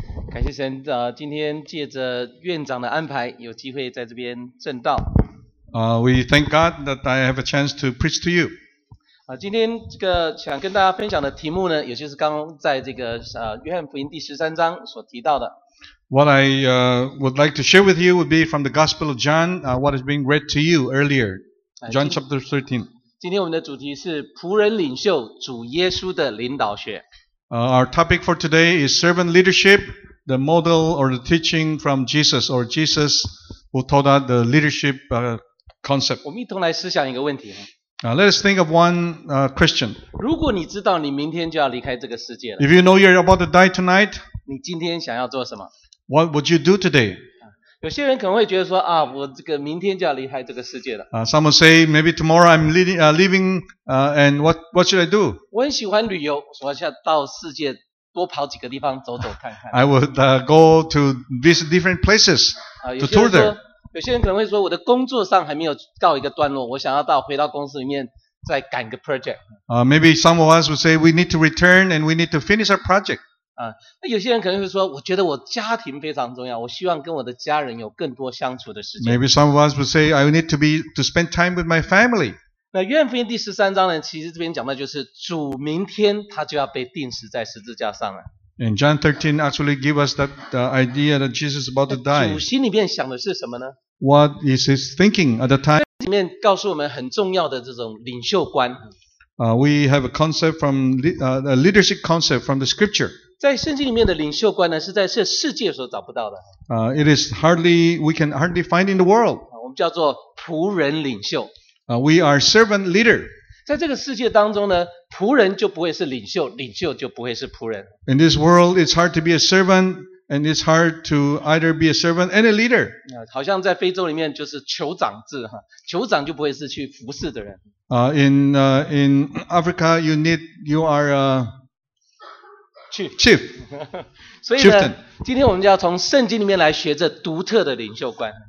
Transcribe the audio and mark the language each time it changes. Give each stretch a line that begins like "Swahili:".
Chinese: 感谢神，今天借着院长的安排，有机会在这边证道。
English: We thank God that I have a chance to preach to you.
Chinese: 今天这个想跟大家分享的题目呢，也就是刚在这个约翰福音第十三章所提到的。
English: What I would like to share with you would be from the Gospel of John, what is being read to you earlier, John chapter 13.
Chinese: 今天我们的主题是仆人领袖主耶稣的领导学。
English: Our topic for today is servant leadership, the model or the teaching from Jesus, or Jesus who taught us the leadership concept.
Chinese: 我们一同来思想一个问题。
English: Let us think of one question.
Chinese: 如果你知道你明天就要离开这个世界了。
English: If you know you're about to die tonight,
Chinese: 你今天想要做什么？
English: What would you do today?
Chinese: 有些人可能会觉得说啊，我这个明天就要离开这个世界了。
English: Some will say maybe tomorrow I'm leaving, and what should I do?
Chinese: 我很喜欢旅游，我想到世界多跑几个地方走走看看。
English: I would go to visit different places to tour there.
Chinese: 有些人可能会说，我的工作上还没有到一个段落，我想要到回到公司里面再赶个 project.
English: Maybe some of us would say we need to return and we need to finish our project.
Chinese: 有些人可能会说，我觉得我家庭非常重要，我希望跟我的家人有更多相处的时间。
English: Maybe some of us would say I need to spend time with my family.
Chinese: 那约翰福音第十三章呢，其实这边讲的就是主明天他就要被钉死在十字架上了。
English: And John 13 actually give us that the idea that Jesus is about to die.
Chinese: 主心里面想的是什么呢？
English: What is his thinking at the time?
Chinese: 里面告诉我们很重要的这种领袖观。
English: We have a concept from a leadership concept from the scripture.
Chinese: 在圣经里面的领袖观呢，是在这世界所找不到的。
English: It is hardly we can hardly find in the world。
Chinese: 我们叫做仆人领袖。
English: We are servant leader。
Chinese: 在这个世界当中呢，仆人就不会是领袖，领袖就不会是仆人。
English: In this world, it's hard to be a servant, and it's hard to either be a servant and a leader。
Chinese: 好像在非洲里面就是酋长制哈，酋长就不会是去服侍的人。
English: In Africa, you are a Chief.
Chinese: 所以呢、
English: Chieftain.
Chinese: 今天我们就要从圣经里面来学这独特的领袖观。